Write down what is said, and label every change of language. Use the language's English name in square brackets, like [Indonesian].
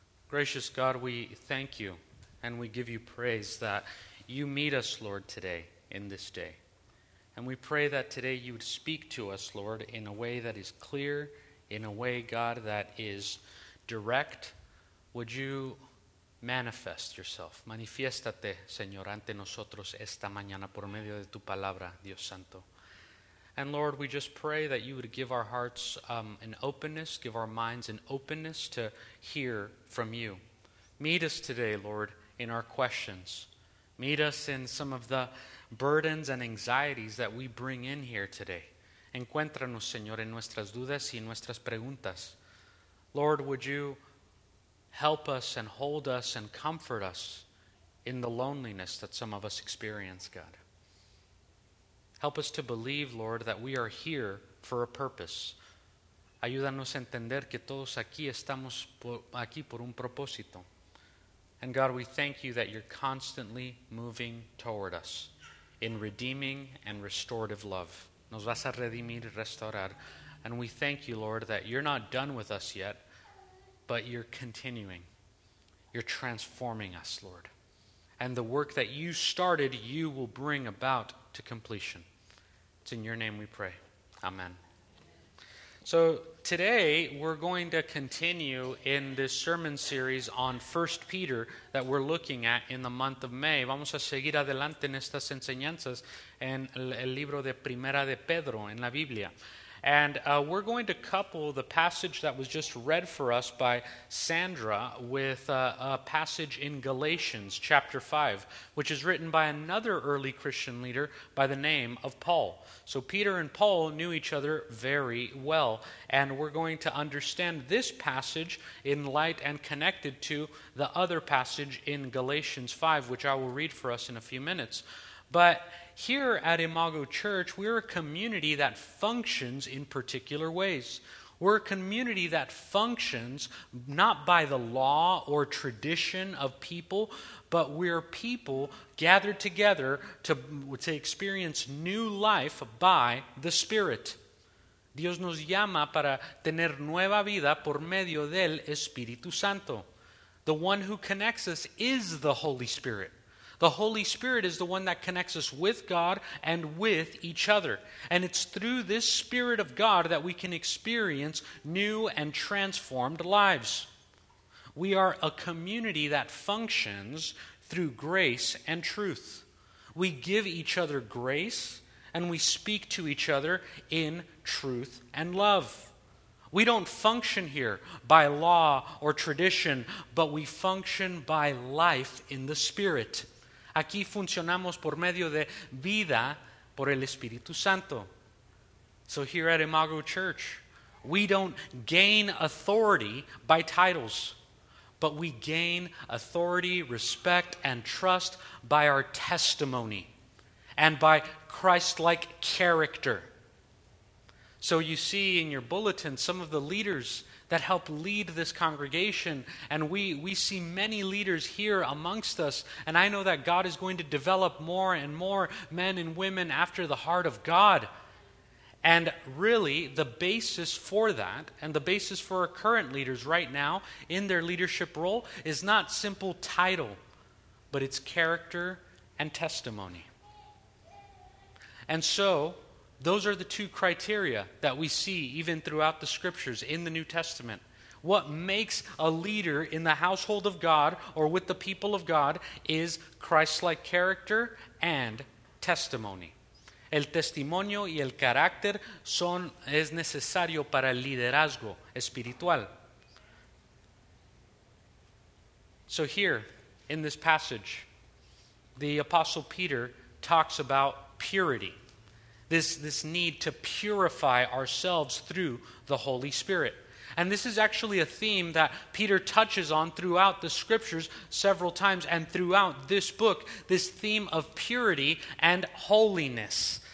[English] Gracious God, we thank you and we give you praise that you meet us, Lord, today in this day. And we pray that today you would speak to us, Lord, in a way that is clear, in a way, God, that is direct. Would you manifest yourself? [Spanish] Manifiéstate, Señor, ante nosotros esta mañana por medio de tu palabra, Dios Santo. [English] And Lord, we just pray that you would give our hearts an openness, give our minds an openness to hear from you. Meet us today, Lord, in our questions. Meet us in some of the burdens and anxieties that we bring in here today. [Spanish] Encuéntranos, Señor, en nuestras dudas y en nuestras preguntas. [English] Lord, would you help us and hold us and comfort us in the loneliness that some of us experience, God. Help us to believe, Lord, that we are here for a purpose. [Spanish] Ayúdanos a entender que todos aquí estamos aquí por un propósito. [English] And God, we thank you that you're constantly moving toward us in redeeming and restorative love. [Spanish] Nos vas a redimir y restaurar. [English] And we thank you, Lord, that you're not done with us yet, but you're continuing. You're transforming us, Lord. And the work that you started, you will bring about to completion. It's in your name we pray. Amen. So today we're going to continue in this sermon series on 1 Peter that we're looking at in the month of May. [Spanish] Vamos a seguir adelante en estas enseñanzas en el libro de Primera de Pedro en la Biblia. [English] And we're going to couple the passage that was just read for us by Sandra with a passage in Galatians chapter 5, which is written by another early Christian leader by the name of Paul. So Peter and Paul knew each other very well, and we're going to understand this passage in light and connected to the other passage in Galatians 5, which I will read for us in a few minutes. But here at Imago Church, we're a community that functions in particular ways. We're a community that functions not by the law or tradition of people, but we're people gathered together to experience new life by the Spirit. [Spanish] Dios nos llama para tener nueva vida por medio del Espíritu Santo. [English] The one who connects us is the Holy Spirit. The Holy Spirit is the one that connects us with God and with each other. And it's through this Spirit of God that we can experience new and transformed lives. We are a community that functions through grace and truth. We give each other grace and we speak to each other in truth and love. We don't function here by law or tradition, but we function by life in the Spirit. [Spanish] Aquí funcionamos por medio de vida por el Espíritu Santo. [English] So here at Imago Church, we don't gain authority by titles, but we gain authority, respect, and trust by our testimony and by Christ-like character. So you see in your bulletin some of the leaders that help lead this congregation. And we see many leaders here amongst us. And I know that God is going to develop more and more men and women after the heart of God. And really, the basis for that, and the basis for our current leaders right now in their leadership role, is not simple title, but it's character and testimony. And so, those are the two criteria that we see even throughout the scriptures in the New Testament. What makes a leader in the household of God or with the people of God is Christ-like character and testimony. [Spanish] El testimonio y el carácter es necesario para el liderazgo espiritual. [English] So here in this passage, the Apostle Peter talks about purity. This need to purify ourselves through the Holy Spirit. And this is actually a theme that Peter touches on throughout the scriptures several times and throughout this book, this theme of purity and holiness.